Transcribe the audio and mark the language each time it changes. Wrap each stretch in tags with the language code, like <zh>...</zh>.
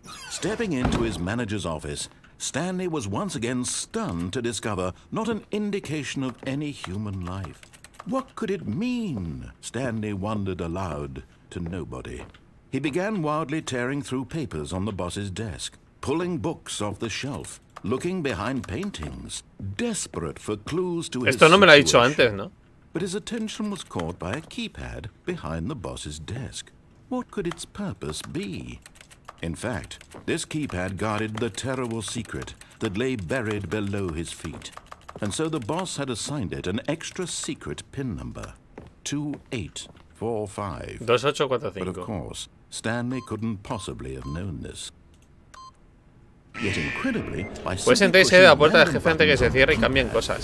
<en>Stepping into his manager's office, Stanley was once again stunned to discover not an indication of any human life. What could it mean? Stanley wondered aloud to nobody. He began wildly tearing through papers on the boss's desk, pulling books off the shelf, looking behind paintings, desperate for clues to his situation.</en> <es>Esto no me lo ha dicho antes, ¿no?</es> <en>But his attention was caught by a keypad behind the boss's desk. What could its purpose be? In fact, this keypad guarded the terrible secret that lay buried below his feet. And so the boss had assigned it an extra secret PIN number. 2845. 2845. But of course, Stanley couldn't possibly have known this. Yet incredibly, by</en> <es>pues entonces se da puerta del jefe antes que se cierre y cambian cosas.</es>